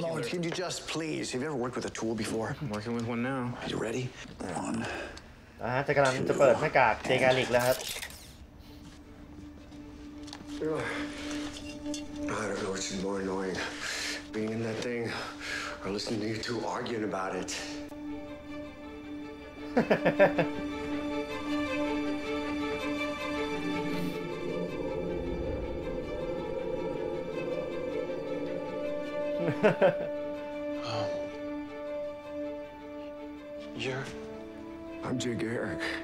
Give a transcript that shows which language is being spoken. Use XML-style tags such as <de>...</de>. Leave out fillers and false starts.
<en>for a moment can you just please have you ever worked with a tool before I'm working with one now are you ready one</en> <th>จะกำลังจะเปิดหน้ากากเทกาลิกแล้วครับ</th> <en>I don't know which is more annoying being in that thing or listening to you two arguing about it I'm Jay Garrick.</en>